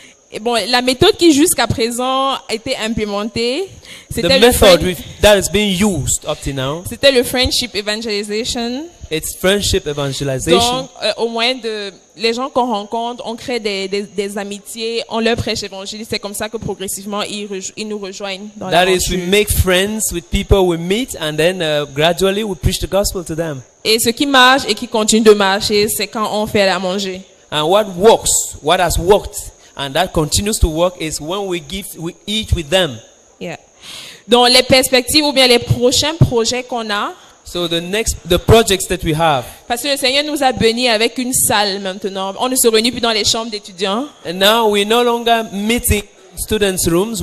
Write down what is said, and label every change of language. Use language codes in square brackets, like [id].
[fr] Et bon, la méthode qui jusqu'à présent a été implémentée, c'était [en] the method that has been used up to now. [fr] C'était le friendship evangelization. [en] It's friendship evangelization. [fr] Donc, au moins de les gens qu'on rencontre, on crée des amitiés, on leur prêche l'évangile. C'est comme ça que progressivement ils nous rejoignent dans l'aventure. [en] That is, we make friends with people we meet, and then gradually we preach the gospel to them. [fr] Et ce qui marche et qui continue de marcher, c'est quand on fait à manger. [en] And what works, what has worked. and that continues to work is when we give, we eat with them. Yeah. [fr] Donc les perspectives ou bien les prochains projets qu'on a. [en] So the projects that we have. [fr] Parce que le Seigneur nous a bénis avec une salle maintenant. On ne se réunit plus dans les chambres d'étudiants. [en] And now we no longer meet in students' rooms.